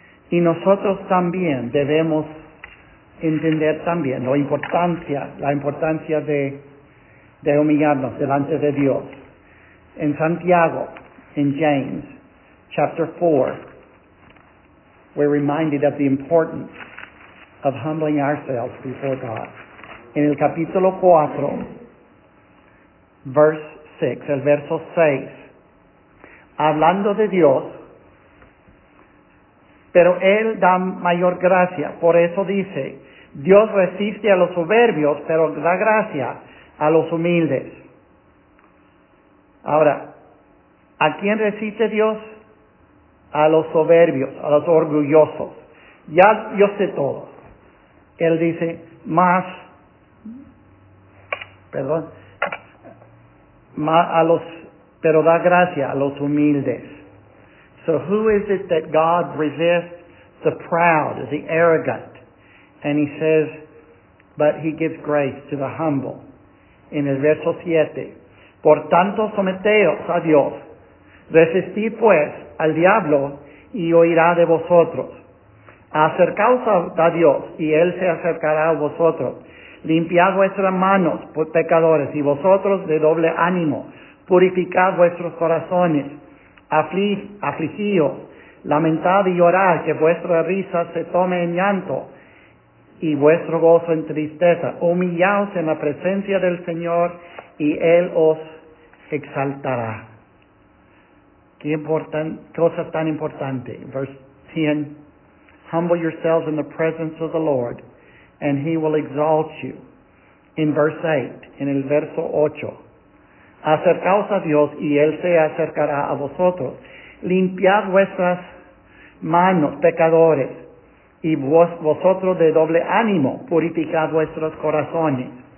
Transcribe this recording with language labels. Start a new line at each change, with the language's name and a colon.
Spanish: Y nosotros también debemos entender también la importancia de humillarnos delante de Dios. En Santiago,
English: in James, chapter 4, we're reminded of the importance of humbling ourselves before God.
Spanish: En el capítulo 4,
English: verse 6,
Spanish: el verso 6, hablando de Dios, pero Él da mayor gracia. Por eso dice, Dios resiste a los soberbios, pero da gracia a los humildes. Ahora, ¿a quién resiste Dios? A los soberbios, a los orgullosos. Ya yo sé todo. Él dice, pero da gracia a los humildes.
English: So who is it that God resists? The proud, the arrogant. And he says, but he gives grace to the humble.
Spanish: En el verso 7, por tanto someteos a Dios. Resistid pues al diablo y oirá de vosotros. Acercaos a Dios y Él se acercará a vosotros. Limpiad vuestras manos, pecadores, y vosotros de doble ánimo. Purificad vuestros corazones. Afligíos, lamentad y llorad, que vuestra risa se tome en llanto y vuestro gozo en tristeza. Humillaos en la presencia del Señor y Él os exaltará. Qué cosa tan importante.
English: Verse 10. Humble yourselves in the presence of the Lord, and He will exalt you. In verse 8,
Spanish: en el verso 8. Acercaos a Dios, y Él se acercará a vosotros. Limpiad vuestras manos, pecadores, y vosotros de doble ánimo, purificad vuestros corazones.